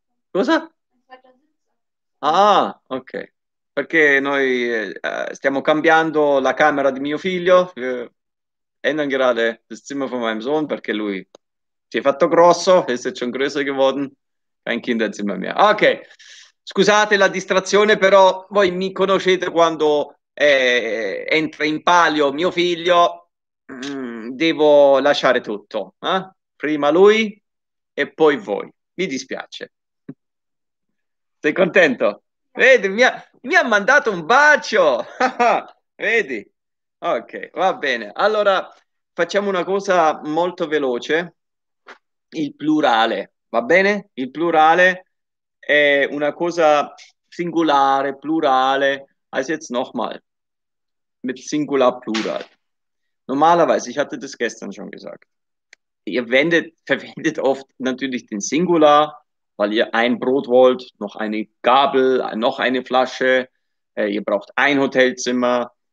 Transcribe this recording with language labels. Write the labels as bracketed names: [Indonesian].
[Italian] Cosa? Ah, ok. Perché noi stiamo cambiando la camera di mio figlio. [German] Ändern gerade das Zimmer von meinem Sohn, [Italian] perché lui si è fatto grosso, [German] ist jetzt schon größer geworden. Kein Kinderzimmer mehr. Ok. [Italian] Scusate la distrazione, però voi mi conoscete quando entra in palio mio figlio. Devo lasciare tutto. Prima lui e poi voi. Mi dispiace. Sei contento? Vedi, mi ha mandato un bacio! Vedi? Ok, va bene. Allora, facciamo una cosa molto veloce. Il plurale, va bene? Il plurale è una cosa singolare, plurale. [German] Also jetzt nochmal. Mit singular, plural. Normalerweise, ich hatte das gestern schon gesagt. Ihr verwendet oft natürlich den Singular, weil ihr ein Brot wollt, noch eine Gabel, noch eine Flasche, ihr braucht ein Hotelzimmer.